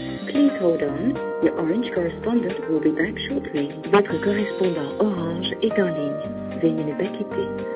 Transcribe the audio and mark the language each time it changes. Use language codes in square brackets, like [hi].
[en] Please hold on. Your Orange correspondent will be back shortly. [fr] Votre correspondant Orange est en ligne. Veuillez ne pas quitter.